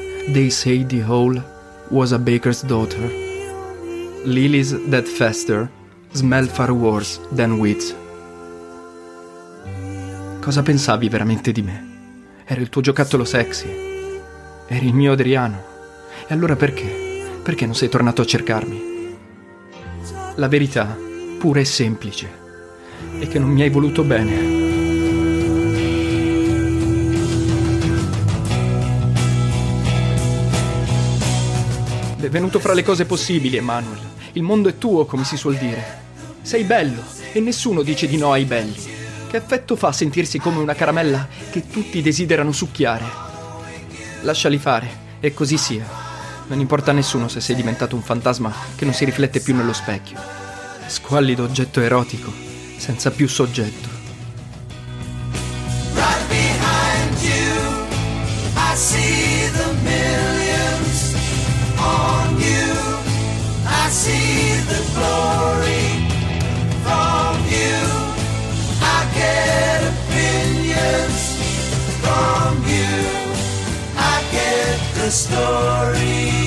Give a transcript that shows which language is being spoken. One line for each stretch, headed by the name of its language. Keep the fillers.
English: They say the whole was a baker's daughter. Lilies that fester smell far worse than weeds.
Italian: Cosa pensavi veramente di me? Ero il tuo giocattolo sexy. Eri il mio Adriano. E allora perché? Perché non sei tornato a cercarmi? La verità, pura e semplice, è che non mi hai voluto bene. Benvenuto fra le cose possibili, Emanuel. Il mondo è tuo, come si suol dire. Sei bello e nessuno dice di no ai belli. Che effetto fa sentirsi come una caramella che tutti desiderano succhiare? Lasciali fare, e così sia. Non importa a nessuno se sei diventato un fantasma che non si riflette più nello specchio. Squallido oggetto erotico, senza più soggetto.
English: Right behind you, I see the millions on you. I see the glory from you. I get opinions from you. I get the story